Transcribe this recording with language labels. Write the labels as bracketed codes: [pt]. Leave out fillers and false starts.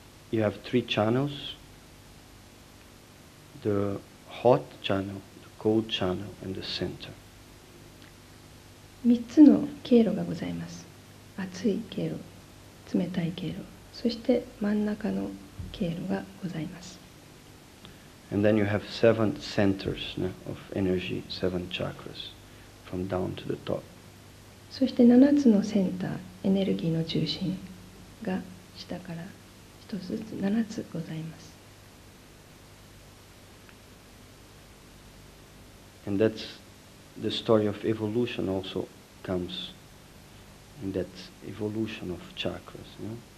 [en] You have three channels, the hot channel, the cold channel, and the center. [ja] 三つの経路がございます。熱い経路、冷たい経路、そして真ん中の経路がございます。 [en] And then you have seven centers, né, of energy, seven chakras, from down to the top. [ja] そして七つのセンター、エネルギーの中心が下から一つずつ七つございます。 [en] And that's the story of evolution also comes in that evolution of chakras, you know?